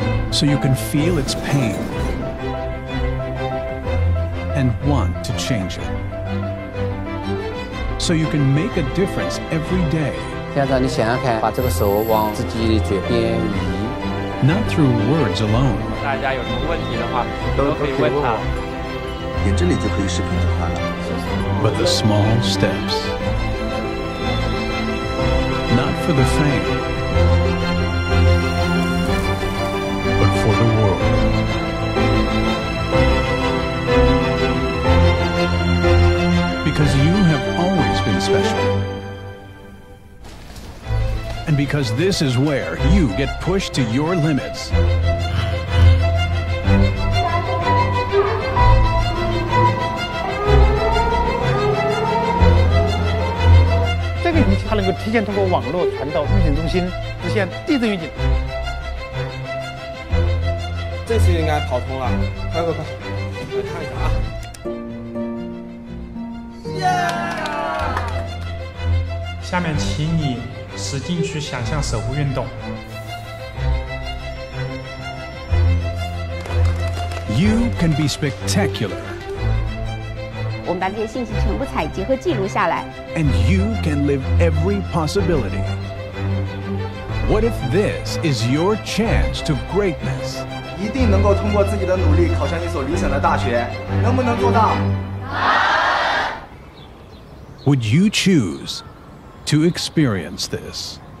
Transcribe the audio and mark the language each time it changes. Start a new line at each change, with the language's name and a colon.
English: So you can feel its pain and want to change it. So you can make a difference every day.
Chinese: 现在你想想看，把这个手往自己的嘴边移。
English: Not through words alone.
Chinese: 大家有什么问题的话，都可以问他。沿这里就可以视频通话了。
English: But the small steps, not for the fame. But for the world. Because you have always been special. And because this is where you get pushed to your limits. This is where you get pushed to your limits. This is where you get pushed to your limits.
Chinese: 实现地震预警，这次应该跑通了，快快快，我来看一下啊！耶！下面请你使劲去想象手部运动。
English: You can be spectacular.
Chinese: 我们把这些信息全部采集和记录下来。
English: And you can live every possibility. What if this is your chance to greatness?
Chinese: 一定能够通过自己的努力考上一所理想的大学，能不能做到？
English: Would you choose to experience this?